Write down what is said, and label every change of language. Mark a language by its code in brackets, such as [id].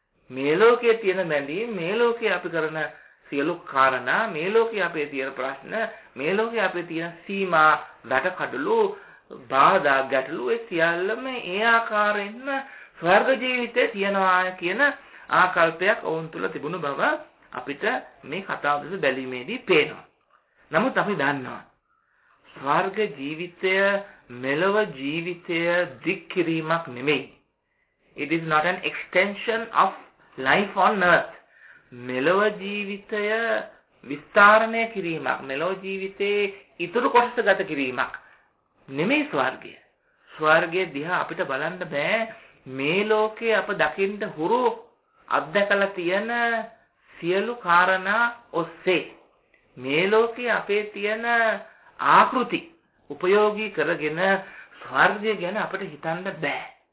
[si] මේ ලෝකයේ තියෙන බැඳීම්, මේ ලෝකයේ අපි කරන සියලු කාරණා, මේ ලෝකයේ අපේ තියෙන ප්‍රශ්න, මේ ලෝකයේ අපේ තියෙන සීමා, වැටකඩලු, බාධා, ගැටලු, ඒ සියල්ලම ඒ ආකාරයෙන්ම ස්වර්ග ජීවිතේ තියෙනවා කියන ආකල්පයක් ඔවුන් තුළ තිබුණු බව අපිට මේ කතාව දෙස බැලීමේදී පේනවා. නමුත් අපි දන්නවා ස්වර්ග ජීවිතය මෙලොව ජීවිතය දික් කිරීමක් නෙමෙයි. [en] It is not an extension of life on earth. [si] මෙලොව ජීවිතය විස්තරණය කිරීමක්, මෙලොව ජීවිතේ ඉතුරු කොටස ගත කිරීමක් නෙමෙයි ස්වර්ගය. ස්වර්ගය දිහා අපිට බලන්න බෑ. මේ ලෝකේ අප දකින්න හුරු අත්දැකලා තියෙන සියලු කාරණා ඔස්සේ මේ ලෝකේ අපේ තියෙන ආකෘති උපයෝගී කරගෙන ස්වර්ගය ගැන අපිට හිතන්න බෑ.